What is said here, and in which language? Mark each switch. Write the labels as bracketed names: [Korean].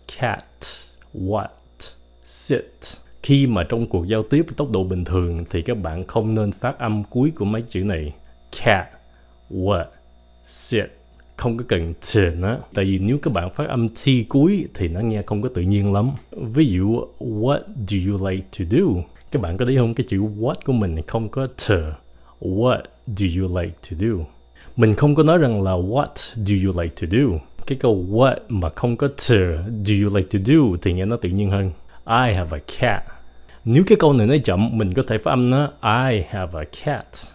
[English] Cat, what, sit. [Vietnamese] Khi mà trong cuộc giao tiếp tốc độ bình thường thì các bạn không nên phát âm cuối của mấy chữ này. [English] Cat, what, sit. [Vietnamese] Không có cần t nữa. Tại vì nếu các bạn phát âm t cuối thì nó nghe không có tự nhiên lắm. [English] Ví dụ, what do you like to do? [Vietnamese] Các bạn có thấy không? Cái chữ what của mình không có t. [English] What do you like to do? [Vietnamese] Mình không có nói rằng là [English] what do you like to do? [Vietnamese] Cái câu what mà không có t, [English] do you like to do, [Vietnamese] thì nghe nó tự nhiên hơn. [English] I have a cat. [Vietnamese] Nếu cái câu này nó chậm, mình có thể phát âm nó [English] I have a cat.